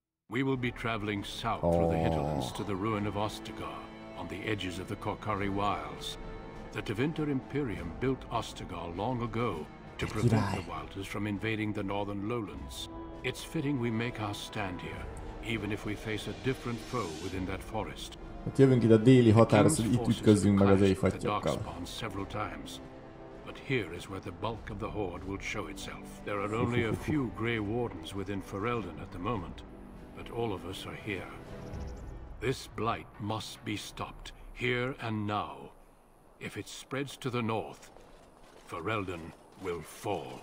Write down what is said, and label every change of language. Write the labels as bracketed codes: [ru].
[en] We will be traveling south through the hinterlands to the ruin of Ostagar, on the edges of the Korkari Wilds. The Tevinter Imperium built Ostagar long ago to prevent the Wilders from invading the northern lowlands. It's fitting we make our stand here, even if we face a different foe within that forest. [hu] Hát jövünk ide a déli határa, hogy itt ütközzünk meg az éjfattyakkal. [en] Several times. But here is where the bulk of the horde will show itself. There are only a few Grey Wardens within Ferelden at the moment. But all of us are here. This blight must be stopped, here and now. If it spreads to the north, Ferelden will fall.